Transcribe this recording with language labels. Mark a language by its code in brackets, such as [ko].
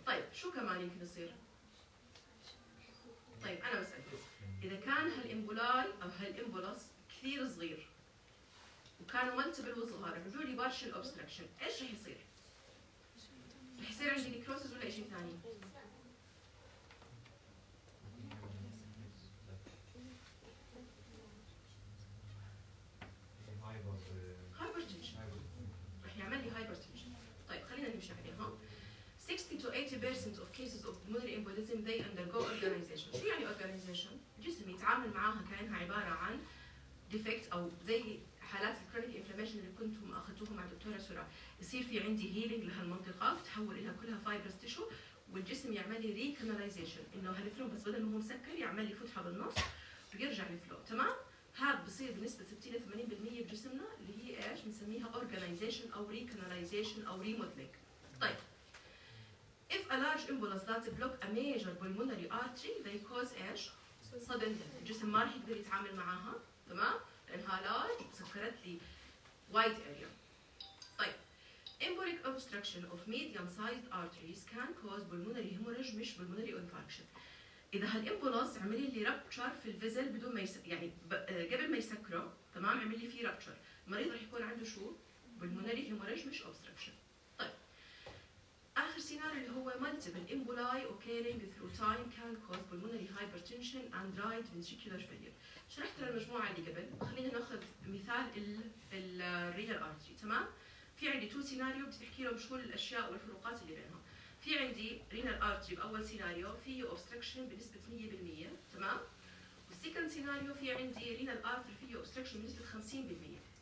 [ar] طيب شو كمان يمكن يصير؟ طيب أنا بسأل، إذا كان هالإمبولاي أو هالإمبولس كثير صغير وكان ملتبل وصغار رجوع لي بارشل أوبستركشن، إيش رح يصير؟ رح يصير عندي نيكروسز ولا إشي ثاني؟ هايبرتنشن رح يعمل لي هايبرتنشن. طيب خلينا نمشي عليها. [en] 60-80% of cases of pulmonary embolism they undergo organization. [ar] شو يعني organization؟ الجسم يتعامل معاها كأنها عبارة عن defect أو زي حالات الكرونيك inflammation اللي كنتم أخذتوهم مع دكتورة سرعة. يصير في عندي healing لهالمنطقة، تحول إلى كلها fibrous tissue، والجسم يعمل لي recanalization إنه هالفلو بس بدل ما هو مسكر يعمل لي فتحة بالنص ويرجع الفلو. تمام؟ هذا بصير بنسبة 60-80% بجسمنا اللي هي إيش بنسميها organization أو recanalization أو remodeling. [en] طيب if a large embolus that block a major pulmonary artery they cause ash sudden death. [ar] الجسم ما رح يقدر يتعامل معها. تمام؟ لانها large سكرت لي wide area. [en] طيب embolic obstruction of medium sized arteries can cause pulmonary hemorrhage مش pulmonary infarction. [ar] اذا هالامبولس عملي لي rupture في الفيزل بدون ما يعني قبل ما يسكره، تمام، عملي فيه rupture، المريض رح يكون عنده شو؟ pulmonary hemorrhage مش obstruction. آخر سيناريو اللي هو [en] multiple emboli occurring through time can cause pulmonary hypertension and right ventricular failure. [ar] شرحت للمجموعة اللي قبل، خلينا نأخذ مثال ال renal artery. تمام؟ في عندي two سيناريو بتحكي لهم شو الأشياء والفروقات اللي بينها. في عندي renal artery بأول سيناريو فيه obstruction بنسبة 100%. تمام؟ والسيكند سيناريو في عندي renal artery فيه obstruction بنسبة 50%.